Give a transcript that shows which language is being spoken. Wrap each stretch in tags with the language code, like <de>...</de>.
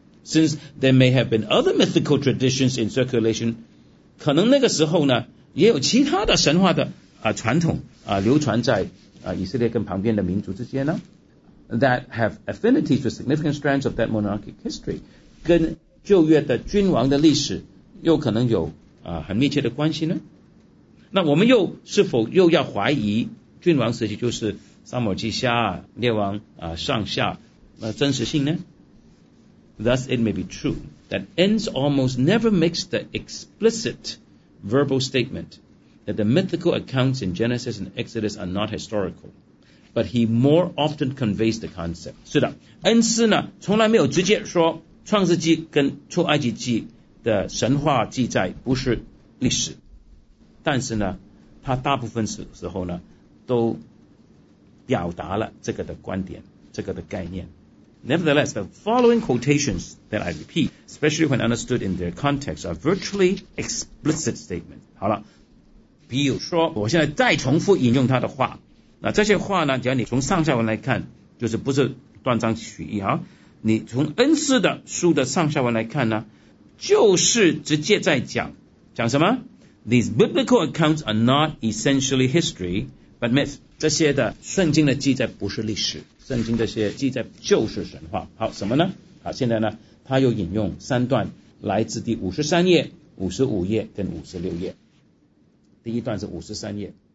<en>Since there may have been other mythical traditions in circulation，</en> <zh>可能那个时候呢也有其他的神话的传统流传在以色列跟旁边的民族之间呢，</zh> <en>that have affinities with significant strands of that monarchic history，</en> <zh>跟旧约的君王的历史又可能有很密切的关系呢。那我们又是否又要怀疑君王时期就是撒母耳记下列王上下那真实性呢？</zh> <en>Thus it may be true that Ends almost never makes the explicit verbal statement that the mythical accounts in Genesis and Exodus are not historical, but he more often conveys the concept.</en> <zh>是的，恩师呢从来没有直接说创世纪跟出埃及记的神话记载不是历史，但是呢，他大部分时候呢都表达了这个的观点，这个的概念。</zh> <en>Nevertheless, the following quotations that I repeat, especially when understood in their context, are virtually explicit statements.</en> <zh>好了，比如说，我现在再重复引用他的话。那这些话呢，只要你从上下文来看，就是不是断章取义哈。你从恩师的书的上下文来看呢，就是直接在讲，讲什么？</zh> <en>These biblical accounts are not essentially history, but myths.</en> <zh>这些的圣经的记载不是历史。圣经这些记载就是神话。好，什么呢？好，现在呢，他又引用三段，来自第53页、55页跟56页。第一段是53页。</zh>